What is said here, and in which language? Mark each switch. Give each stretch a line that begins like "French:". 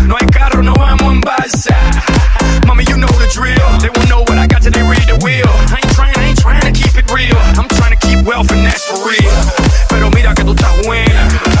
Spanish: No hay carro, no vamos en balsa.
English: Mommy, you know the drill. They won't know what I got till they read the wheel. I ain't trying to keep it real. I'm trying to keep wealth and that's for real.
Spanish: Pero mira que tú estás buena.